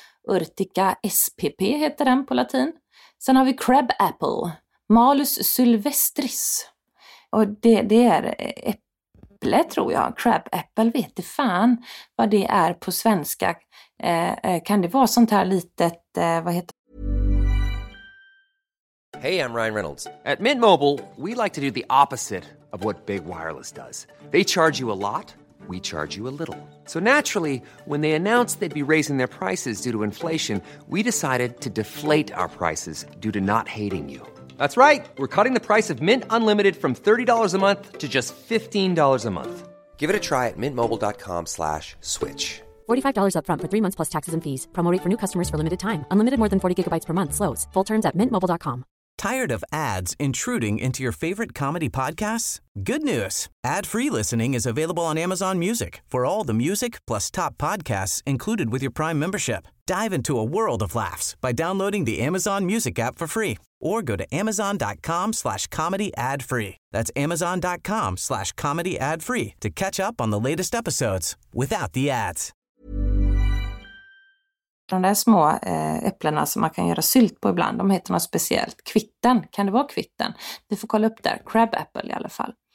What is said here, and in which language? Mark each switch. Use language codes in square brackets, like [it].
[sv] Urtica spp heter den på latin. Sen har vi Crab Apple, Malus sylvestris. Och det är äpple tror jag, crab apple, vet du fan vad det är på svenska. Kan det vara sånt här litet, vad heter det? [en] Hey, I'm Ryan Reynolds. At Mint Mobile, we like to do the opposite of what Big Wireless does. They charge you a lot, we charge you a little. So naturally, when they announced they'd be raising their prices due to inflation, we decided to deflate our prices due to not hating you. That's right. We're cutting the price of Mint Unlimited from $30 a month to just $15 a month. Give it a try at mintmobile.com/switch. $45 up front for 3 months plus taxes and fees. Promo rate for new customers for limited time. Unlimited more than 40 gigabytes per month slows. Full terms at mintmobile.com. Tired of ads intruding into your favorite comedy podcasts? Good news. Ad-free listening is available on Amazon Music for all the music plus top podcasts included with your Prime membership. Dive into a world of laughs by downloading the Amazon Music app for free. Or go to amazon.com/comedyadfree. That's amazon.com/comedyadfree to catch up on the latest episodes without the ads. [sv] De där små äpplena som man kan göra sylt på ibland, de heter något speciellt. Kvitten, kan det vara kvitten? Vi får kolla upp där, crab apple i alla fall.